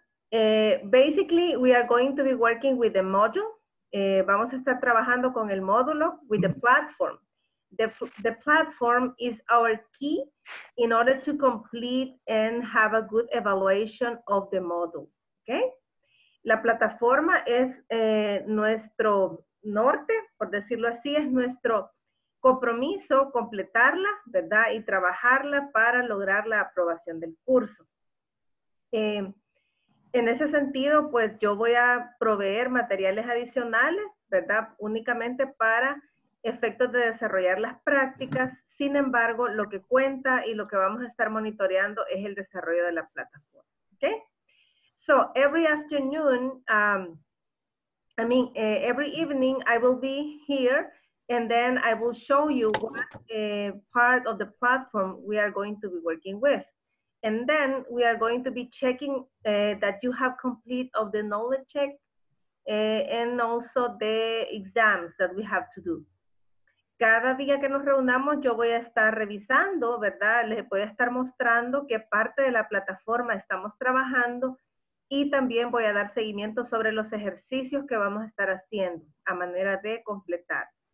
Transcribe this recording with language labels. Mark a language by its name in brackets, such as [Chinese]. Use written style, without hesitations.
[English] Basically, we are going to be working with the module. [Spanish] Vamos a estar trabajando con el módulo, [English] with the platform. The platform is our key in order to complete and have a good evaluation of the module, okay? [Spanish] La plataforma es nuestro norte, por decirlo así, es nuestro compromiso completarla, ¿verdad? Y trabajarla para lograr la aprobación del curso. En ese sentido, pues yo voy a proveer materiales adicionales, ¿verdad? Únicamente para efectos de desarrollar las prácticas. Sin embargo, lo que cuenta y lo que vamos a estar monitoreando es el desarrollo de la plataforma. [English] Okay? So, every afternoon, every evening, I will be here and then I will show you what part of the platform we are going to be working with. And then we are going to be checking that you have complete of the knowledge check and also the exams that we have to do. [Spanish] Cada día que nos reunamos, yo voy a estar revisando, ¿verdad? Les voy a estar mostrando qué parte de la plataforma estamos trabajando y también voy a dar seguimiento sobre los ejercicios que vamos a estar haciendo a manera de completar.